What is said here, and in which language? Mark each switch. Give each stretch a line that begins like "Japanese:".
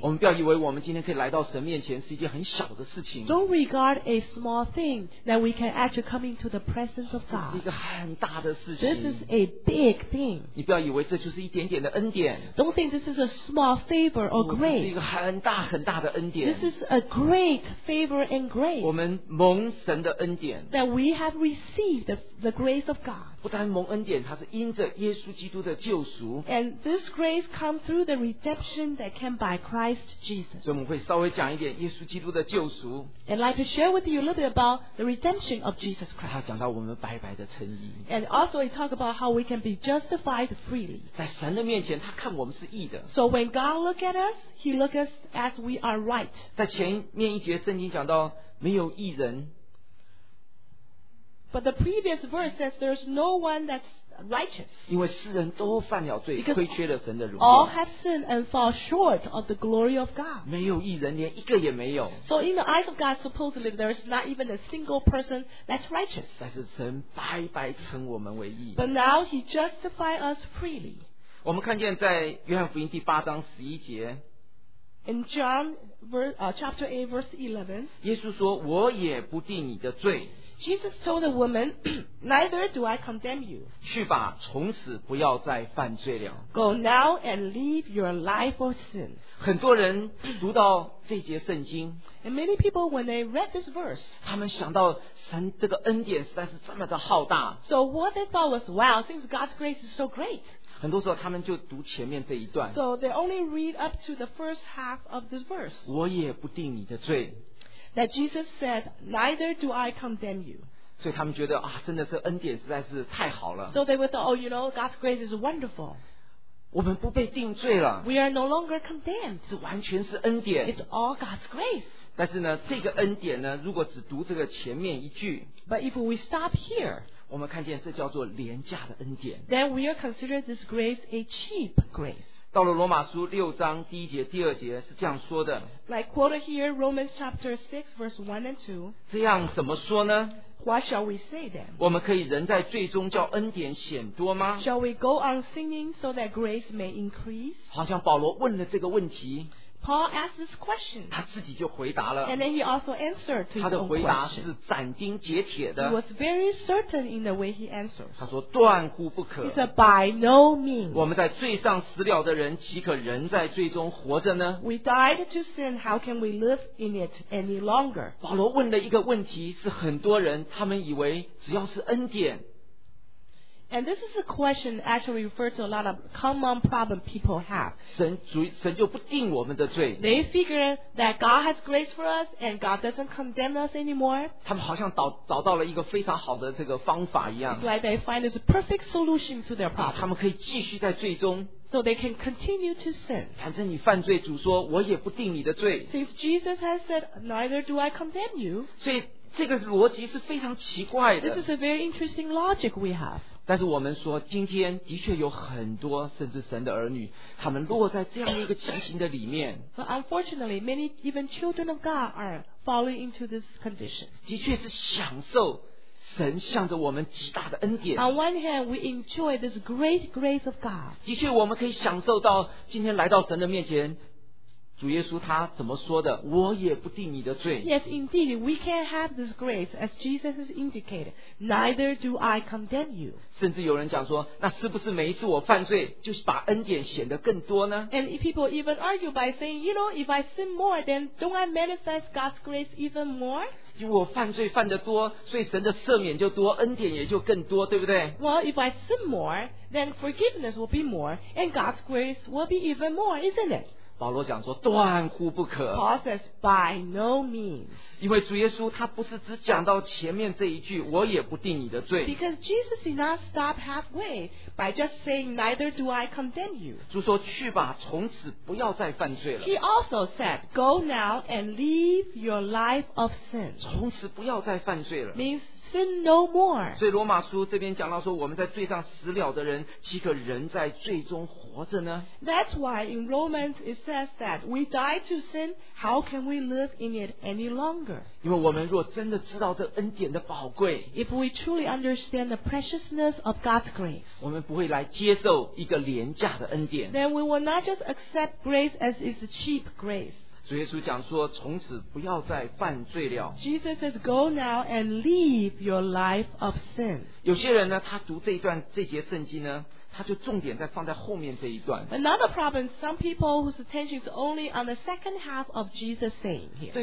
Chinese: 我们不要以为我们今天可以来到神面前是一件很小的事情。
English: Don't regard a small thing that we can actually come into the presence of God.
Chinese: 这是一个很大的事情。
English: This is a big thing.
Chinese: 你不要以为这就是一点点的恩典。
English: Don't think this is a small favor or grace.
Chinese: 这是一个很大很大的恩典。
English: This is a great favor and grace.
Chinese: 我们蒙神的恩典。
English: That we have received the grace of God.
Chinese: 不单蒙恩典，它是因着耶稣基督的救赎。
English: And this grace come through the redemption that came by Christ Jesus.
Chinese: 所以我们会稍微讲一点耶稣基督的救赎。
English: And like to share with you a little bit about the redemption of Jesus Christ.
Chinese: 他讲到我们白白的称义。
English: And also he talk about how we can be justified freely.
Chinese: 在神的面前，他看我们是义的。
English: So when God look at us, he look us as we are right.
Chinese: 在前面一节圣经讲到没有义人。
English: But the previous verse says there's no one that's righteous.
Chinese: 因为世人都犯了罪，亏缺了神的荣耀。
English: All have sinned and fall short of the glory of God.
Chinese: 没有义人，连一个也没有。
English: So in the eyes of God, supposedly there's not even a single person that's righteous.
Chinese: 但是神白白称我们为义。
English: But now he justified us freely.
Chinese: 我们看见在约翰福音第八章十一节。
English: In John chapter 8 verse 11.
Chinese: 耶稣说，我也不定你的罪。
English: Jesus told the woman, Neither do I condemn you.
Chinese: 去吧，从此不要再犯罪了。
English: Go now and leave your life of sin.
Chinese: 很多人读到这节圣经。
English: And many people, when they read this verse,
Chinese: 他们想到神这个恩典实在是这么的浩大。
English: So what they thought was, wow, since God's grace is so great.
Chinese: 很多时候他们就读前面这一段。
English: So they only read up to the first half of this verse.
Chinese: 我也不定你的罪。
English: That Jesus said, Neither do I condemn you.
Chinese: 所以他们觉得啊，真的是恩典实在是太好了。
English: So they would thought, oh, you know, God's grace is wonderful.
Chinese: 我们不被定罪了。
English: We are no longer condemned.
Chinese: 这完全是恩典。
English: It's all God's grace.
Chinese: 但是呢，这个恩典呢，如果只读这个前面一句。
English: But if we stop here.
Chinese: 我们看见这叫做廉价的恩典。
English: Then we are considered this grace a cheap grace.
Chinese: 到了罗马书六章第一节第二节是这样说的
English: Like quoted here Romans chapter 6 verse 1 and 2
Chinese: 这样怎么说呢
English: What shall we say then
Chinese: 我们可以人在罪中叫恩典显多吗
English: Shall we go on sinning so that grace may increase
Chinese: 好像保罗问了这个问题
English: Paul asked this question
Chinese: 他自己就回答了
English: And then he also answered to his own question
Chinese: 他的回答是斩钉截铁的
English: He was very certain in the way he answers
Chinese: 他说断乎不可
English: He said by no means
Chinese: 我们在罪上死了的人岂可仍在罪中活着呢
English: We died to sin How can we live in it any longer
Chinese: 保罗问的一个问题是很多人他们以为只要是恩典
English: And this is a question actually referred to a lot of common problem people have.
Chinese: 神就不定我们的罪。
English: They figure that God has grace for us and God doesn't condemn us anymore.
Chinese: 他们好像找到了一个非常好的这个方法一样。
English: It's like they find this perfect solution to their problem.
Chinese: 他们可以继续在罪中。
English: So they can continue to sin.
Chinese: 反正你犯罪，主说我也不定你的罪。
English: Since Jesus has said, neither do I condemn you.
Chinese: 所以这个逻辑是非常奇怪的。
English: This is a very interesting logic we have.
Chinese: 但是我们说今天的确有很多甚至神的儿女他们落在这样一个情形的里面
English: But unfortunately many even children of God are falling into this condition
Chinese: 的确是享受神向着我们极大的恩典
English: On one hand we enjoy this great grace of God
Chinese: 的确我们可以享受到今天来到神的面前主耶稣他怎么说的我也不定你的罪
English: Yes indeed we can have this grace as Jesus has indicated neither do I condemn you
Chinese: 甚至有人讲说那是不是每一次我犯罪就是把恩典显得更多呢
English: And people even argue by saying you know if I sin more then don't I manifest God's grace even more
Chinese: 因为我犯罪犯得多所以神的赦免就多恩典也就更多对不对
English: Well if I sin more then forgiveness will be more and God's grace will be even more isn't it
Chinese: 保罗讲说断乎不可
English: Paul says by no means
Chinese: 因为主耶稣他不是只讲到前面这一句我也不定你的罪
English: Because Jesus did not stop halfway by just saying neither do I condemn you
Chinese: 主说去吧从此不要再犯罪了
English: He also said go now and leave your life of sin
Chinese: 从此不要再犯罪了
English: Means sin no more
Chinese: 所以罗马书这边讲到说我们在罪上死了的人岂可仍在罪中活活着呢?
English: That's why in Romans it says that we die to sin, how can we live in it any longer?
Chinese: 因为我们若真的知道这恩典的宝贵,
English: if we truly understand the preciousness of God's grace,
Chinese: 我们不会来接受一个廉价的恩典,
English: then we will not just accept grace as it's a cheap grace.
Chinese: 主耶稣讲说从此不要再犯罪了
English: Jesus says go now and leave your life of sin
Chinese: 有些人呢他读这一段这节圣经呢他就重点在放在后面这一段
English: Another problem some people whose attention is only on the second half of Jesus saying here